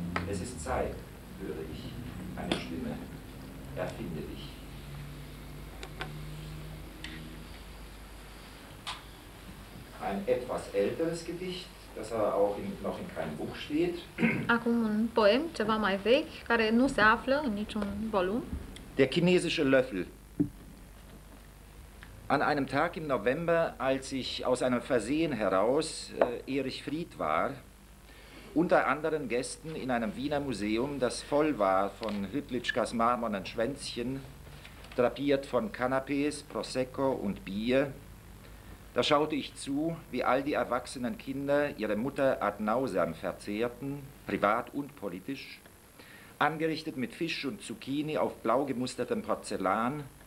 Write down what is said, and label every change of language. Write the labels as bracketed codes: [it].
[de] Es ist Zeit, höre ich, eine Stimme, erfinde dich. ein etwas älteres Gedicht, das aber auch noch in keinem Buch steht. [ro] Acum un poem ceva mai vechi care nu se află în niciun volum. [de] Der chinesische Löffel. An einem Tag im November, als ich aus einem Versehen heraus Erich Fried war, unter anderen Gästen in einem Wiener Museum, das voll war von Hrdličkas marmornen Schwänzchen, drapiert von Canapés, Prosecco und Bier, da schaute ich zu, wie all die erwachsenen Kinder ihre Mutter ad nauseam verzehrten, privat und politisch, angerichtet mit Fisch und Zucchini auf blau gemustertem Porzellan.